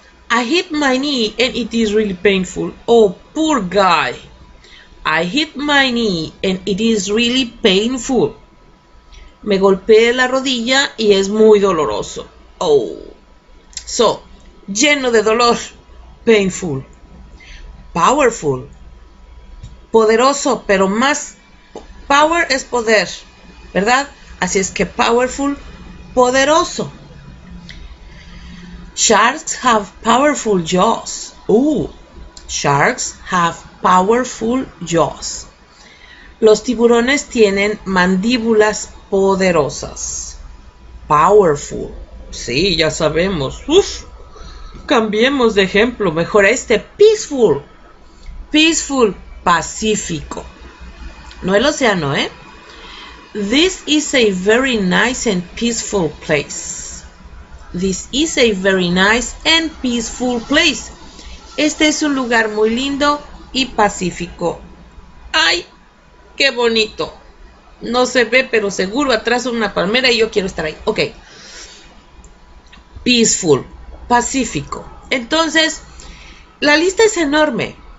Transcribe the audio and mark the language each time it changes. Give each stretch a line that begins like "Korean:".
English: I hit my knee and it is really painful. Oh, poor guy. I hit my knee and it is really painful.
Spanish: Me golpeé la rodilla y es muy doloroso. Oh. So, lleno de dolor. Painful. Powerful. Poderoso, pero más. Power es poder, ¿verdad? Así es que powerful, poderoso.
English: Sharks have powerful jaws. Ooh, sharks have powerful jaws.
Spanish: Los tiburones tienen mandíbulas poderosas. Powerful. Sí, ya sabemos. Uf, cambiemos de ejemplo. Mejor este. Peaceful. Peaceful, pacífico. No el océano, ¿eh?
English: This is a very nice and peaceful place. This is a very nice and peaceful place.
Spanish: Este es un lugar muy lindo y pacífico. ¡Ay, qué bonito! No se ve, pero seguro atrás una palmera y yo quiero estar ahí. Ok. Peaceful, pacífico. Entonces, la lista es enorme.